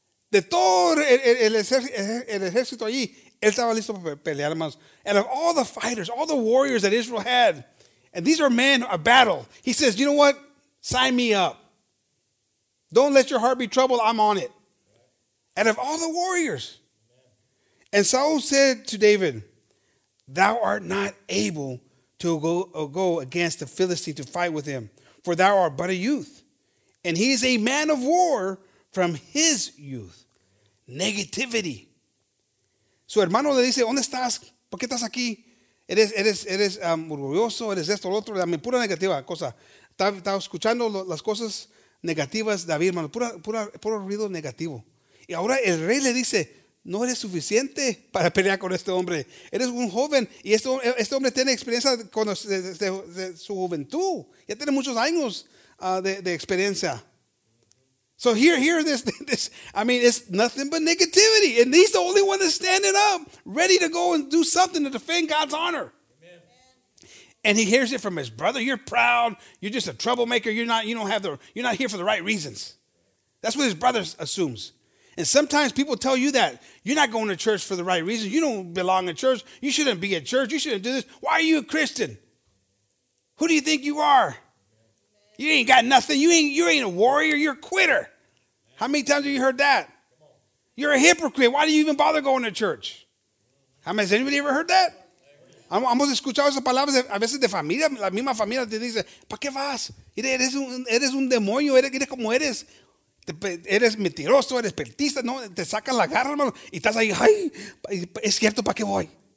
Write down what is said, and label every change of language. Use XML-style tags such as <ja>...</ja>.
<es>De todo el ejército allí, él estaba listo para pelear, hermanos.</es> <en>And of all the fighters, all the warriors that Israel had, and these are men of battle, he says, you know what? Sign me up. Don't let your heart be troubled. I'm on it. And of all the warriors. And Saul said to David, thou art not able to go against the Philistine to fight with him, for thou art but a youth. And he is a man of war from his youth.</en> <es>Negativity. Su hermano le dice, ¿dónde estás? ¿Por qué estás aquí? Eres orgulloso, eres esto, lo otro. Mi pura negativa cosa. Estaba escuchando las cosas negativas, David, hermano. Puro ruido negativo. Y ahora el rey le dice, no eres suficiente para pelear con este hombre. Eres un joven y este hombre tiene experiencia de su juventud. Ya tiene muchos años de experiencia.</es> <en>So here, this, I mean, it's nothing but negativity. And he's the only one that's standing up, ready to go and do something to defend God's honor. Amen. And he hears it from his brother. You're proud. You're just a troublemaker. You're not here for the right reasons. That's what his brother assumes. And sometimes people tell you that. You're not going to church for the right reasons. You don't belong in church. You shouldn't be in church. You shouldn't do this. Why are you a Christian? Who do you think you are? You ain't got nothing. You ain't a warrior. You're a quitter. How many times have you heard that? You're a hypocrite. Why do you even bother going to church? How many, has anybody ever heard that?</en> <es>Hemos escuchado esas palabras a veces de familia. La misma familia te dice, ¿para qué vas? Eres un demonio. Eres como eres. Eres mentiroso. Eres pertista. No, te sacan la garra, hermano. Y estás ahí, ay, es cierto, ¿para qué voy?</es>